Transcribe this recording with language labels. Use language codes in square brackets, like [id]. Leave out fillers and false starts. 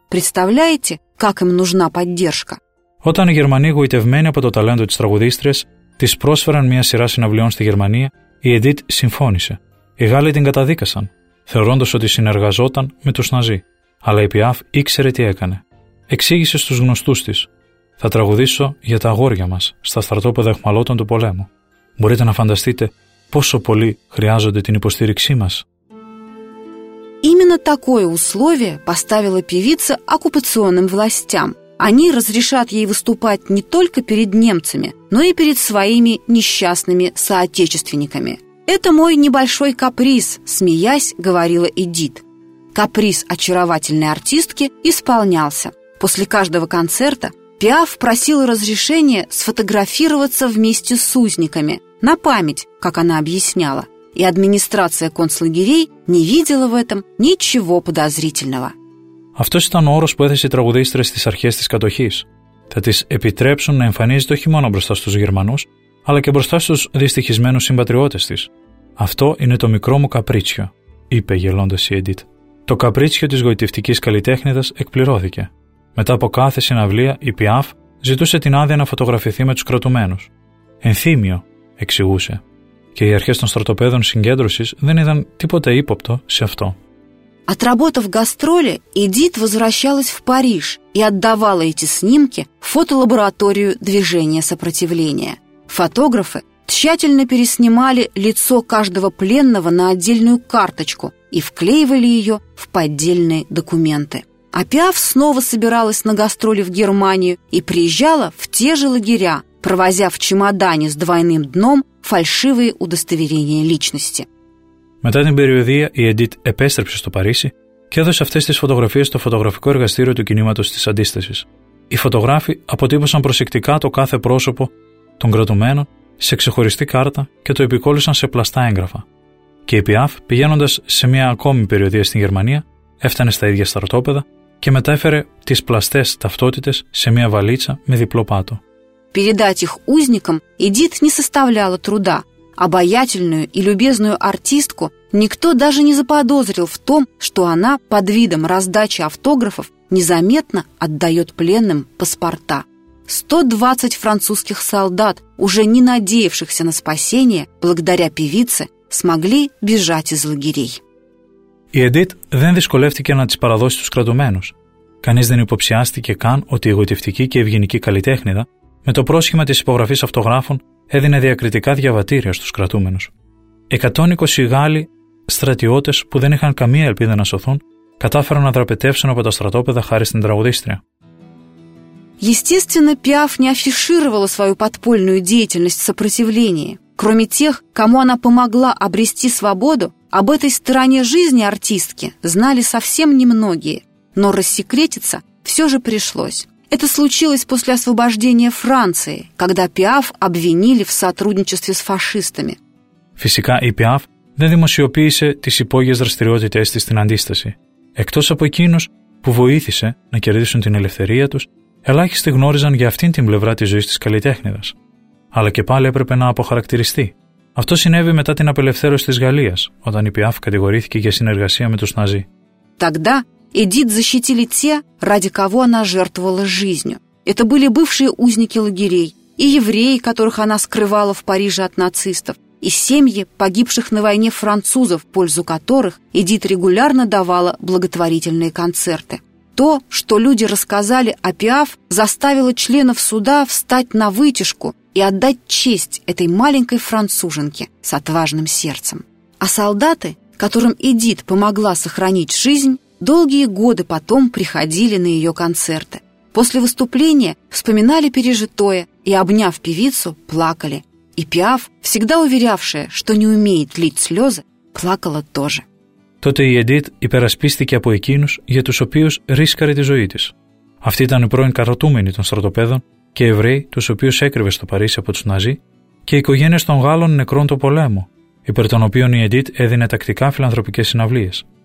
[ru] Представляете, как им нужна поддержка?» [el] Όταν οι Γερμανοί γοητευμένοι από το ταλέντο της τραγουδίστριας της πρόσφεραν μια σειρά συναυλιών στη Γερμανία, η Edith συμφώνησε. Οι Γάλλοι την καταδίκασαν, θεωρώντας ότι συνεργαζόταν με τους Ναζί. Αλλά η Πιάφ ήξερε τι έκανε. Εξήγησε στους γνωστούς της: «Θα τραγουδήσω για τα αγόρια μας στα στρατόπεδα αιχμαλώτων του πολέμου. Μπορείτε να φανταστείτε πόσο πολύ χρειάζονται την υποστήριξή μας». [ru] Именно такое условие поставила певица оккупационным властям. Они разрешат ей выступать не только перед немцами, но и перед своими несчастными соотечественниками. «Это мой небольшой каприз», – смеясь, говорила Эдит. Каприз очаровательной артистки исполнялся. После каждого концерта Пиаф просила разрешения сфотографироваться вместе с узниками, на память, как она объясняла. И администрация концлагерей не видела в этом ничего подозрительного. [el] Αυτός ήταν ο όρος που έθεσε η τραγουδίστρια στις αρχές της κατοχής. Θα της επιτρέψουν να εμφανίζεται όχι μόνο μπροστά στους Γερμανούς, αλλά και μπροστά στους δυστυχισμένους συμπατριώτες της. «Αυτό είναι το μικρό μου καπρίτσιο», είπε γελώντας η Edit. Το καπρίτσιο της γοητευτικής καλλιτέχνητας εκπληρώθηκε. Μετά από κάθε συναυλία, η Πιάφ ζητούσε την άδεια να φωτογραφηθεί με τους κρατουμένους. «Ενθύμιο», εξηγούσε. Και οι αρχές των στρατοπέδων συγκέντρωσης δεν είδαν τίποτε ύποπτο σε αυτό. [ru] Отработав гастроли, Эдит возвращалась в Париж и отдавала эти снимки в фотолабораторию движения сопротивления. Фотографы тщательно переснимали лицо каждого пленного на отдельную карточку и вклеивали ее в поддельные документы. А Пиаф снова собиралась на гастроли в Германию и приезжала в те же лагеря, провозя в чемодане с двойным дном фальшивые удостоверения личности. [el] Μετά την περιοδία, η Edith επέστρεψε στο Παρίσι και έδωσε αυτές τις φωτογραφίες στο φωτογραφικό εργαστήριο του κινήματος της Αντίστασης. Οι φωτογράφοι αποτύπωσαν προσεκτικά το κάθε πρόσωπο των κρατουμένων σε ξεχωριστή κάρτα και το επικόλυσαν σε πλαστά έγγραφα. Και η Πιάφ, πηγαίνοντας σε μια ακόμη περιοδία στην Γερμανία, έφτανε στα ίδια στρατόπεδα και μετέφερε τις πλαστές ταυτότητες σε μια βαλίτσα με διπλό πάτο. [ru] Передать их узникам Edith не составляла труда. Обаятельную и любезную артистку никто даже не заподозрил в том, что она под видом раздачи автографов незаметно отдает пленным паспорта. 120 французских солдат, уже не надеявшихся на спасение, благодаря певице, смогли бежать из лагерей. [el] Η Edit δεν δυσκολεύτηκε να τις παραδώσει τους κρατουμένους. Κανείς δεν υποψιάστηκε καν ότι η γοητευτική και ευγενική καλλιτέχνηδα, με το πρόσχημα της υπογραφής αυτογράφων, έδινε διακριτικά διαβατήρια στους κρατούμενους. 120 Γάλλοι στρατιώτες που δεν είχαν καμία ελπίδα να σωθούν, κατάφεραν να δραπετεύσουν από τα στρατόπεδα χάρη στην τραγουδίστρια. [ru] Естественно, Пиаф не афишировала свою подпольную деятельность в сопротивлении. Кроме тех, кому она помогла обрести свободу, об этой стороне жизни артистки знали совсем немногие. Но рассекретиться все же пришлось. Это случилось после освобождения Франции, когда Пиаф обвинили в сотрудничестве с фашистами. [el] Φυσικά, η Пиаф δεν δημοσιοποίησε τις υπόγειες δραστηριότητές της στην Αντίσταση. Εκτός από εκείνους που βοήθησε να κερδίσουν την ελευθερία τους, ελάχιστοι γνώριζαν για αυτήν την πλευρά της ζωής της καλλιτέχνηδας. Αλλά και πάλι έπρεπε να αποχαρακτηριστεί. Αυτό συνέβη μετά την απελευθέρωση της Γαλλίας, όταν η Пиаф κατηγορήθηκε για συνεργασία με τους Ναζί. [ru] Тогда Эдит защитили те, ради кого она жертвовала жизнью. Это были бывшие узники лагерей, и евреи, которых она скрывала в Париже от нацистов, и семьи погибших на войне французов, в пользу которых Эдит регулярно давала благотворительные концерты. То, что люди рассказали о Пиаф, заставило членов суда встать на вытяжку и отдать честь этой маленькой француженке с отважным сердцем. А солдаты, которым Эдит помогла сохранить жизнь, долгие годы потом приходили на ее концерты. После выступления вспоминали пережитое и, обняв певицу, плакали. И Пиаф, всегда уверявшая, что не умеет лить слезы, плакала тоже. Тогда [el] Эдит υπερασπίστηκε από εκείνους, για τους οποίους ρίσκαρε τη ζωή της. Αυτοί ήταν οι πρώην κρατούμενοι των στρατοπέδων και Εβραίοι, τους οποίους έκρυβε στο Παρίσι από τους Ναζί, και οι οικογένειες των Γάλλων νεκρών του πολέμου. υπέρ των οποίων η Edith έδινε τακτικά φιλανθρωπικές συναυλίες.